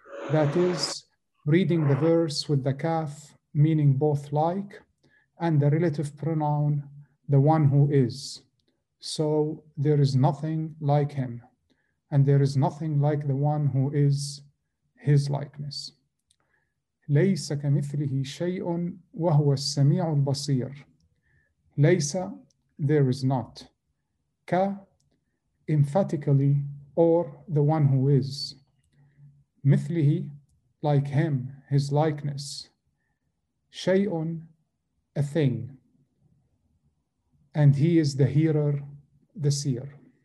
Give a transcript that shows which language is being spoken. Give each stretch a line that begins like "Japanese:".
English: That is, reading the verse with the calf, meaning both like, and the relative pronoun, the one who is. So there is nothing like him, and there is nothing like the one who is his likeness.
Arabic: ليس كمثله شيء وهو السميع البصير.
English: ليس, there is not. ك, emphatically, or the one who is. مثله, like him, his likeness. shay'un, a thing. And he is the hearer, the seer.